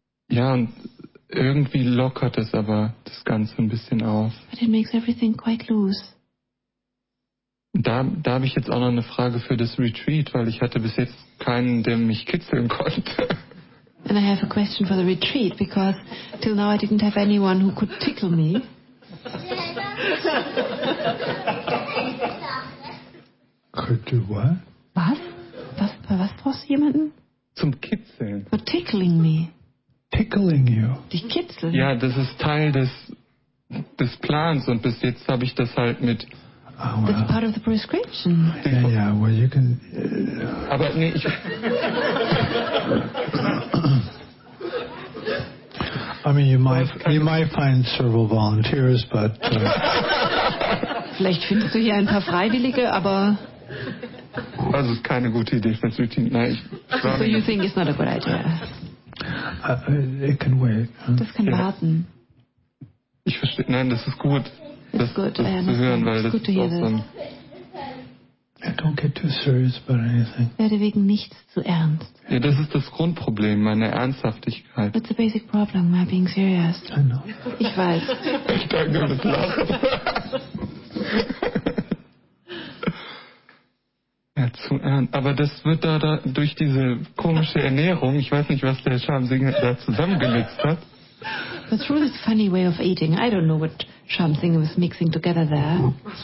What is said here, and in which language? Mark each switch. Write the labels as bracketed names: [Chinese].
[German] Ja, und irgendwie lockert es aber das Ganze ein bisschen auf. [English] But it makes everything quite loose. [German] Da habe ich jetzt auch noch eine Frage für das Retreat, weil ich hatte bis jetzt keinen, der mich kitzeln konnte. [English] And I have a question for the retreat, because till now I didn't have anyone who could tickle me. Could do what? [German] Was? Was brauchst du jemanden? Zum Kitzeln. [English] For tickling me. Tickling you. [German] Dich kitzeln? Ja, das ist Teil des Plans und bis jetzt habe ich das halt mit... [English] Oh, well. That's part of the prescription. Yeah, well, you can... [German] Aber nee, ich... [English] I mean, you might find several volunteers, but... [German] Vielleicht findest du hier ein paar Freiwillige, aber... Das ist keine gute Idee, das wird nicht... Nein, ich... [English] So you think it's not a good idea? It can wait. Huh? [German] Das kann warten. Ich verstehe... Nein, das ist gut. [English] It's good to hear this. Don't get too serious about anything. [German] Werde wegen nichts zu ernst. Ja, das ist das Grundproblem, meine Ernsthaftigkeit. [English] That's the basic problem, my being serious. I know. [German] Ich weiß. Ich danke für das Lachen. Ja, zu ernst. Aber das wird da durch diese komische Ernährung, ich weiß nicht, was der Sham Singh da zusammengemixt hat. [English] But through this funny way of eating, I don't know what Sham Singh was mixing together there.